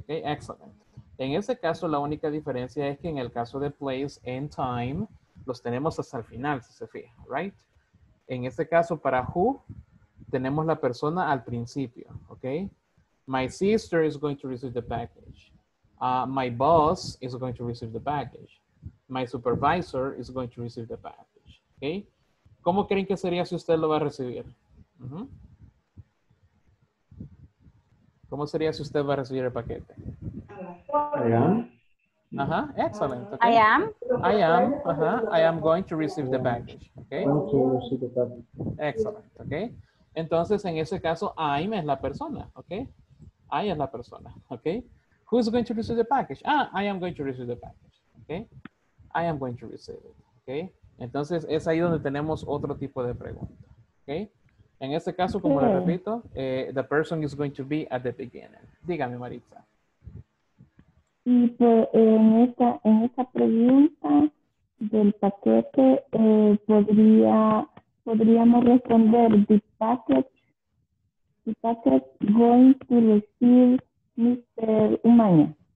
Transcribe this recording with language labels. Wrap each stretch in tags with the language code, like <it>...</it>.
<es>Okay, excellent. En ese caso, la única diferencia es que en el caso de place and time, los tenemos hasta el final, si se fija, right? En este caso, para who, tenemos la persona al principio, okay?</es> <en>My sister is going to receive the package. My boss is going to receive the package. My supervisor is going to receive the package, okay?</en> <es>¿Cómo creen que sería si usted lo va a recibir? ¿Cómo sería si usted va a recibir el paquete?</es> <en>I am. Uh-huh. Excellent. Okay. I am. Uh-huh. I am going to receive the package.</en> <es>Okay. Excellent. Okay. Entonces, en ese caso, I'm es la persona.</es> <en>Okay. I</en> <es>es la persona.</es> <en>Okay. Who's going to receive the package? Ah, I am going to receive the package. Okay. I am going to receive it. Okay.</en> <es>Entonces, es ahí donde tenemos otro tipo de pregunta.</es> <en>Okay.</en> <es>En este caso, como le repito,</es> <en>the person is going to be at the beginning.</en> <es>Dígame,</es> <en>Maritza.</en> <es>Y en esta pregunta del paquete, podríamos responder,</es> <en>the package going to receive</en> <es>Mr. Umaña.</es>